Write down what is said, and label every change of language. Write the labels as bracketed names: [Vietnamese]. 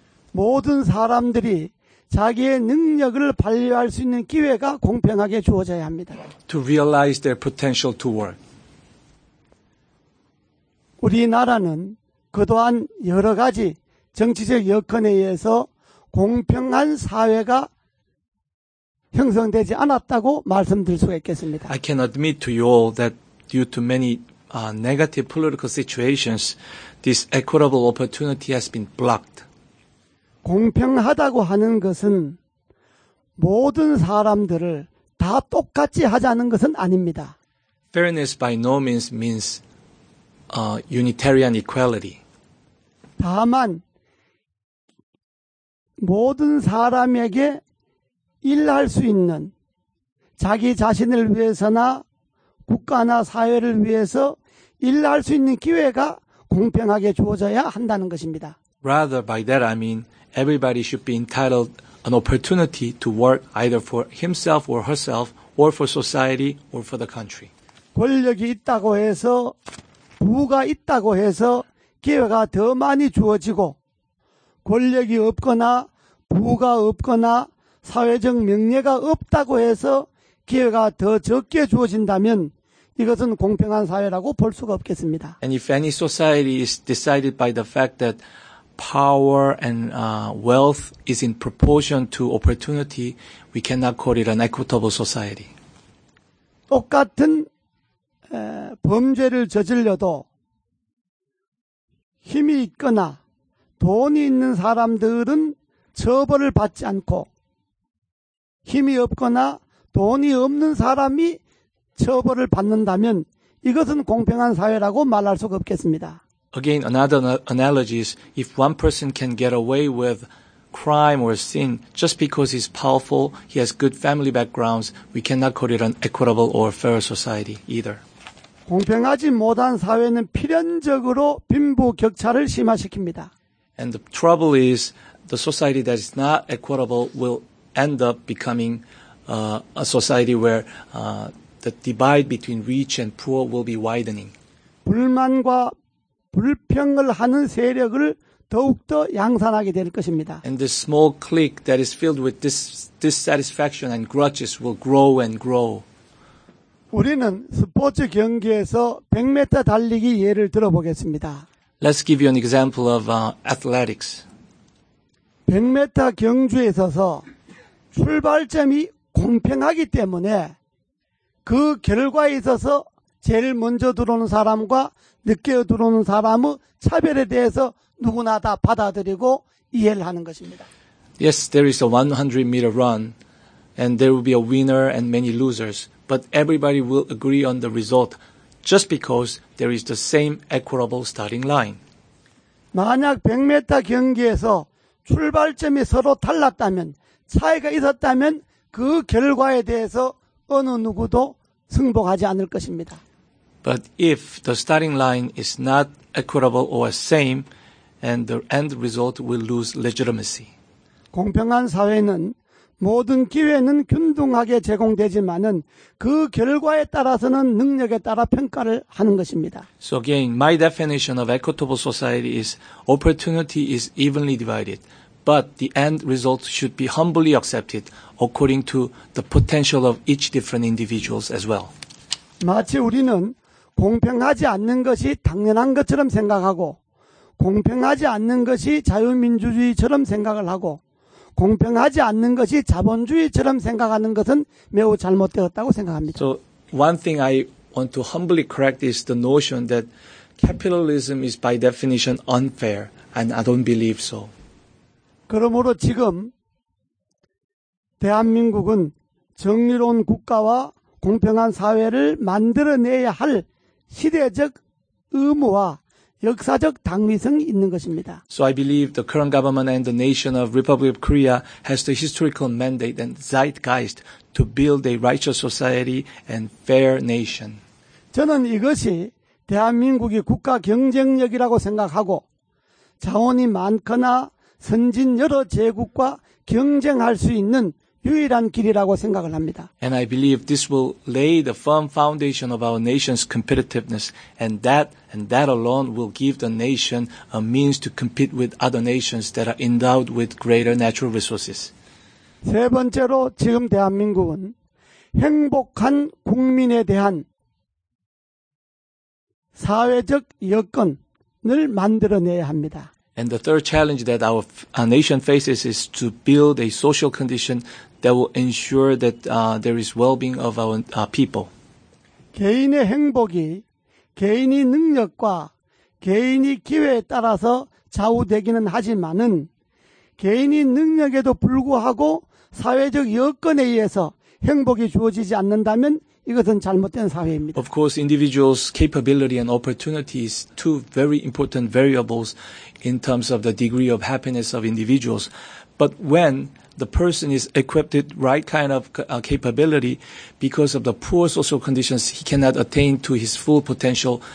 [Korean] 모든 사람들이 자기의 능력을 발휘할 수 있는 기회가 공평하게 주어져야 합니다. [English] To realize their potential to work. [Korean] 우리나라는 그동안 여러 가지 정치적 여건에 의해서 공평한 사회가 형성되지 않았다고 말씀드릴 수가 있겠습니다. [English] I can admit to you all that due to many negative political situations, this equitable opportunity has been blocked. [Korean] 공평하다고 하는 것은 모든 사람들을 다 똑같이 하자는 것은 아닙니다. [English] Fairness by no means means unitarian equality. [Korean] 다만 모든 사람에게 일할 수 있는 자기 자신을 위해서나 국가나 사회를 위해서 일할 수 있는 기회가 공평하게 주어져야 한다는 것입니다. [English] Rather, by that I mean everybody should be entitled an opportunity to work either for himself or herself or for society or for the country. [Korean] 권력이 있다고 해서 부가 있다고 해서 기회가 더 많이 주어지고 권력이 없거나 부가 없거나 사회적 명예가 없다고 해서 기회가 더 적게 주어진다면 이것은 공평한 사회라고 볼 수가 없겠습니다. [English] And if any society is decided by the fact that power and wealth is in proportion to opportunity, we cannot call it an equitable society. [Korean] 똑같은 범죄를 저질려도 힘이 있거나 돈이 있는 사람들은 처벌을 받지 않고 힘이 없거나 돈이 없는 사람이 처벌을 받는다면 이것은 공평한 사회라고 말할 수가 없겠습니다. [English] Again, another analogy is if one person can get away with crime or sin just because he's powerful, he has good family backgrounds, we cannot call it an equitable or fair society either. [Korean] 공평하지 못한 사회는 필연적으로 빈부 격차를 심화시킵니다. [English] And the trouble is the society that is not equitable will end up becoming a society where the divide between rich and poor will be widening. [Korean] 불만과 불평을 하는 세력을 더욱더 양산하게 될 것입니다. [English] And the small clique that is filled with dissatisfaction and grudges will grow and grow. [Korean] 우리는 스포츠 경기에서 100m 달리기 예를 들어보겠습니다. [English] Let's give you an example of athletics. [Korean] 100m 경주에 있어서 출발점이 공평하기 때문에 그 결과에 있어서 제일 먼저 들어오는 사람과 늦게 들어오는 사람의 차별에 대해서 누구나 다 받아들이고 이해를 하는 것입니다. [English] Yes, there is a 100m run and there will be a winner and many losers. But everybody will agree on the result just because there is the same equitable starting line. [Korean] 만약 100m 경기에서 출발점이 서로 달랐다면 차이가 있었다면 그 결과에 대해서 어느 누구도 승복하지 않을 것입니다. [English] But if the starting line is not equitable or same, and the end result will lose legitimacy. [Korean] 공평한 사회는 모든 기회는 균등하게 제공되지만은 그 결과에 따라서는 능력에 따라 평가를 하는 것입니다. [English] So again, my definition of equitable society is opportunity is evenly divided, but the end result should be humbly accepted according to the potential of each different individuals as well. [Korean] 마치 우리는 공평하지 않는 것이 당연한 것처럼 생각하고 공평하지 않는 것이 자유민주주의처럼 생각을 하고 공평하지 않는 것이 자본주의처럼 생각하는 것은 매우 잘못되었다고 생각합니다. [English] So one thing I want to humbly correct is the notion that capitalism is by definition unfair, and I don't believe so. [Korean] 그러므로 지금 대한민국은 정의로운 국가와 공평한 사회를 만들어내야 할 시대적 의무와 역사적 당위성이 있는 것입니다. [English] So I believe the current government and the nation of Republic of Korea has the historical mandate and zeitgeist to build a righteous society and fair nation. [Korean] 저는 이것이 대한민국이 국가 경쟁력이라고 생각하고 자원이 많거나 선진 여러 제국과 경쟁할 수 있는 유일한 길이라고 생각을 합니다. [English] And I believe this will lay the firm foundation of our nation's competitiveness, and that alone will give the nation a means to compete with other nations that are endowed with greater natural resources. [Korean] 세 번째로 지금 대한민국은 행복한 국민에 대한 사회적 여건을 만들어내야 합니다. [English] And the third challenge that our nation faces is to build a social condition that will ensure that there is well-being of our people. [Korean] 개인의 행복이 개인의 능력과 개인의 기회에 따라서 좌우되기는 하지만은 개인의 능력에도 불구하고 사회적 여건에 의해서 행복이 주어지지 않는다면 이것은 잘못된 사회입니다. [English] Of course, individuals' capability and opportunity is two very important variables in terms of the degree of happiness of individuals. But when the person is equipped with right kind of capability, because of the poor social conditions, he cannot attain to his full potential.